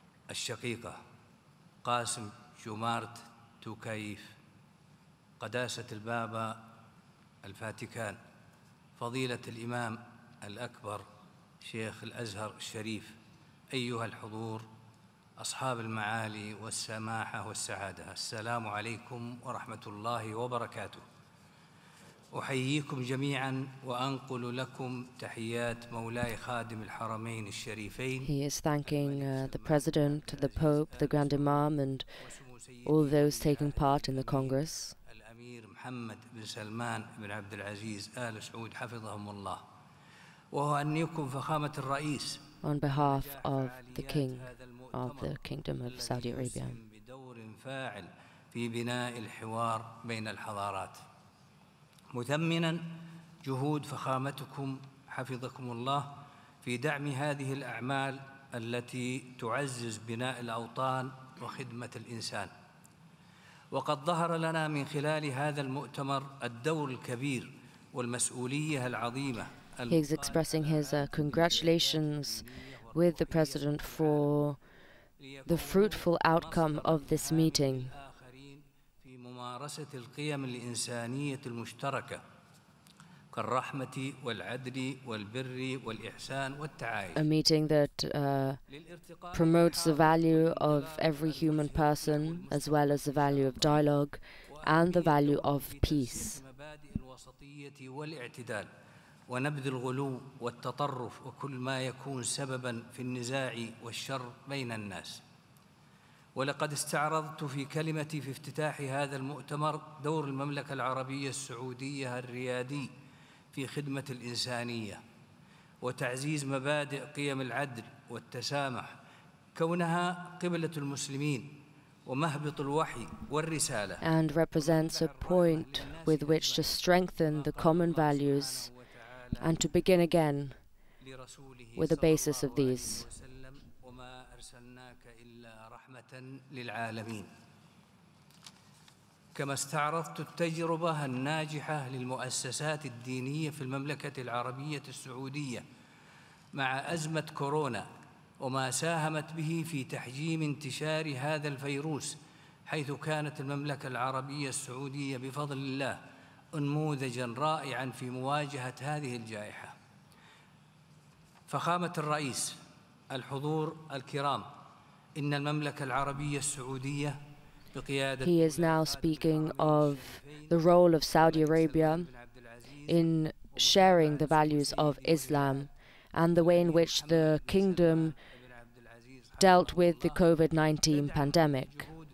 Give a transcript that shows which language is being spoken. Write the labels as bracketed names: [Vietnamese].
[Arabic] الشقيقة قاسم جومارت توكايف قداسة البابا الفاتيكان فضيلة الإمام الأكبر شيخ الأزهر الشريف أيها الحضور أصحاب المعالي والسماحة والسعادة السلام عليكم ورحمة الله وبركاته أحييكم جميعا وأنقل لكم تحيات مولاي خادم الحرمين الشريفين [English] He is thanking the President, the Pope, the Grand Imam and all those taking part in the Congress. [Arabic] محمد بن سلمان بن عبد العزيز آل سعود حفظهم الله وهو أن يكون فخامة الرئيس [English] on behalf of the king of the kingdom of Saudi Arabia [Arabic] بدور فاعل في بناء الحوار بين الحضارات مثمنا جهود فخامتكم حفظكم الله في دعم هذه الأعمال التي تعزز بناء الأوطان وخدمة الإنسان. وقد ظهر لنا من خلال هذا المؤتمر الدور الكبير والمسؤولية العظيمة. [English] He is expressing his congratulations with the President for the fruitful outcome of this meeting. [Arabic] في ممارسة القيم الإنسانية المشتركة كالرحمة والعدل والبر والإحسان والتعايش. [English] A meeting that promotes the value of every human person as well as the value of dialogue and the value of peace. [Arabic] والاعتدال ونبذ الغلو والتطرف وكل ما يكون سببا في النزاع والشر بين الناس. ولقد استعرضت في كلمتي في افتتاح هذا المؤتمر دور المملكة العربية السعودية الريادي في خدمة الإنسانية وتعزيز مبادئ قيم العدل والتسامح كونها قبلة المسلمين ومهبط الوحي والرسالة. [English] And represents a point with which to strengthen the common values and to begin again with the basis of these. [Arabic] وما أرسلناك إلا رحمة للعالمين. كما استعرضت التجربة الناجحة للمؤسسات الدينية في المملكة العربية السعودية مع أزمة كورونا وما ساهمت به في تحجيم انتشار هذا الفيروس حيث كانت المملكة العربية السعودية بفضل الله أنموذجاً رائعاً في مواجهة هذه الجائحة. فخامة الرئيس، الحضور الكرام، إن المملكة العربية السعودية بقيادة [English] He is now speaking of the role of Saudi Arabia in sharing the values of Islam and the way in which the kingdom dealt with the COVID-19 pandemic.